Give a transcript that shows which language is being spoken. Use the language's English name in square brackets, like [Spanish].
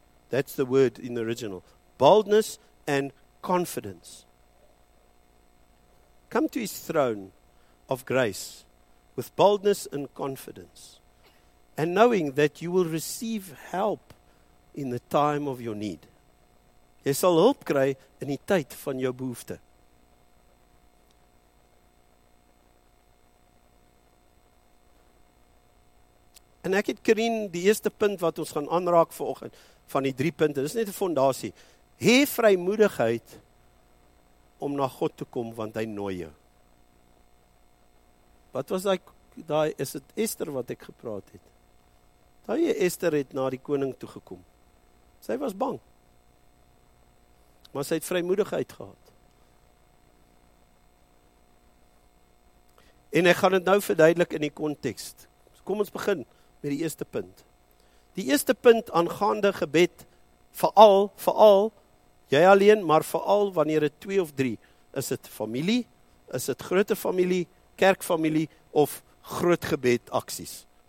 [English] That's the word in the original. Boldness and confidence. Come to his throne of grace with boldness and confidence. And knowing that you will receive help in the time of your need. [Afrikaans] Jy sal hulp kry in die tyd van jou behoefte. En ek het Karin die eerste punt wat ons gaan aanraak vanoggend van die drie punte. Dis net 'n fondasie. Hê vrymoedigheid om na God te kom, want hy nooi jou. Wat was daai, is dit Esther wat ek gepraat het? Daai Esther het na die koning toe gekom. Sy was bang. Maar sy het vrymoedigheid gehad. En ek gaan dit nou verduidelik in die context. Kom ons begin met die eerste punt. Die eerste punt aangaande gebed, vooral, jy alleen, maar vooral wanneer het twee of drie, is het familie, is het grote familie, kerkfamilie of groot gebed acties.